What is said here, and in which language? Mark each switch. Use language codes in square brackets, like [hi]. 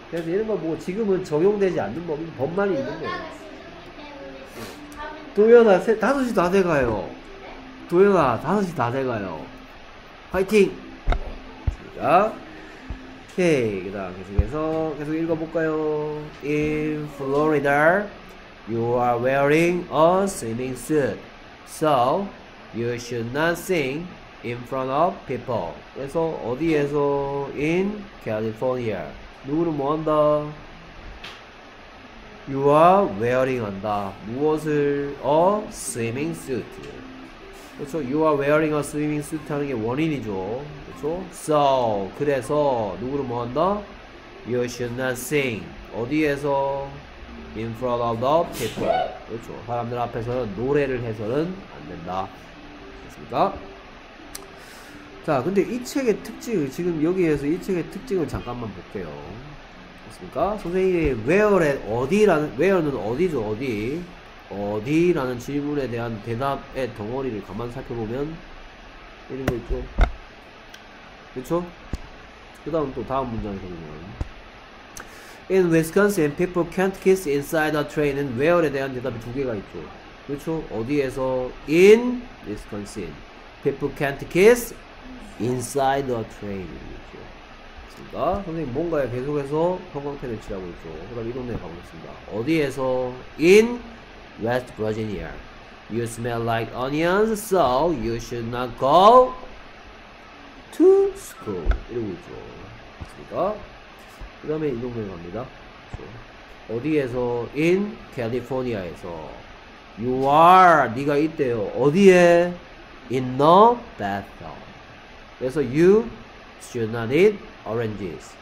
[ko] 그래서 이런 거 보고 지금은 적용되지 않는 법만이 있는 거예요. 도현아, 5시 다 돼가요. 도현아, 5시 다 돼가요. 화이팅! 자, 오케이. 그다음 계속 읽어볼까요? [en] In Florida, you are wearing a swimming suit. So, You should not sing in front of people. [ko] 그래서 어디에서? [en] In California. [ko] 누구를 뭐 한다? [en] You are wearing [ko] 한다. 무엇을? [en] A swimming suit. [ko] 그렇죠. [en] You are wearing a swimming suit [ko] 하는 게 원인이죠. 그렇죠. [en] So, [ko] 그래서 누구를 뭐 한다? [en] You should not sing. [ko] 어디에서? [en] In front of the people. [ko] 그렇죠. 사람들 앞에서는 노래를 해서는 안 된다. 됐습니까? 자, 근데 이 책의 특징, 지금 여기에서 이 책의 특징을 잠깐만 볼게요. 됐습니까? 선생님이 where, 어디라는, where는 어디죠, 어디? 어디라는 질문에 대한 대답의 덩어리를 가만 살펴보면, 이런 거 있죠. 그쵸? 그 다음 또 다음 문장에서 보면. [en] In Wisconsin, people can't kiss inside a train. [ko] And where에 대한 대답이 두 개가 있죠. 그렇죠? 어디에서? [en] In Wisconsin, people can't kiss inside a train. [ko] 그렇죠? 됐습니까? 선생님 뭔가에 계속해서 형광펜을 칠하고 있죠. 그 다음 이 동네에 가보겠습니다. 어디에서? [en] In West Virginia. You smell like onions, so you should not go to school. [ko] 이러고 있죠. 됐습니까? 그 다음에 이 동네에 갑니다. 어디에서? [en] In [ko] California에서 [en] You are, [ko] 네가 있대요. 어디에? [en] In the bathroom. [ko] 그래서 [en] You should not eat oranges.